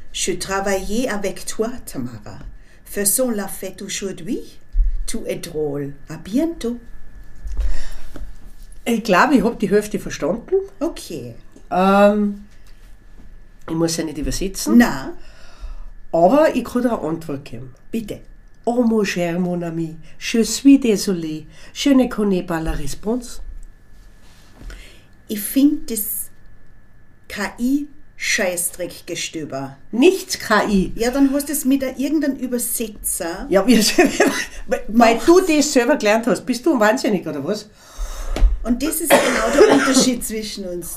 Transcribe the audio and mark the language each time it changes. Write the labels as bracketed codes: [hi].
[fr] Je travaille avec toi, Tamara. Faisons la fête aujourd'hui. Tu es drôle. À bientôt. [de] Ich glaube, ich habe die Hälfte verstanden. Okay. Ich muss ja nicht übersetzen. Nein. Aber ich kann dir eine Antwort geben. Bitte. [fr] Oh, mon cher, mon ami. Je suis désolé. Je ne connais pas la réponse. [de] Ich finde das KI-Scheißdreckgestöber. Nichts KI. Ja, dann hast du es mit irgendeinem Übersetzer. Ja, weil du das selber gelernt hast, bist du wahnsinnig, oder was? Und das ist genau der Unterschied zwischen uns.